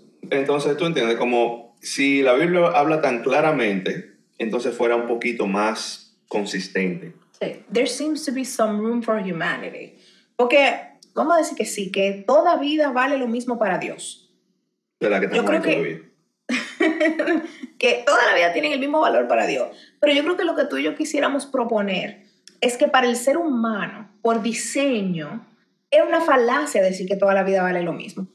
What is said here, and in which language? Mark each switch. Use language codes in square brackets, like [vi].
[es] Entonces, tú entiendes, como si la Biblia habla tan claramente, entonces fuera un poquito más consistente. [en] Sí, there seems to be some room for humanity. [es] Porque, vamos a decir que sí, que toda vida vale lo mismo para Dios. De la que estamos hablando todavía. Que toda la vida tienen el mismo valor para Dios. Pero yo creo que lo que tú y yo quisiéramos proponer es que para el ser humano, por diseño, es una falacia decir que toda la vida vale lo mismo.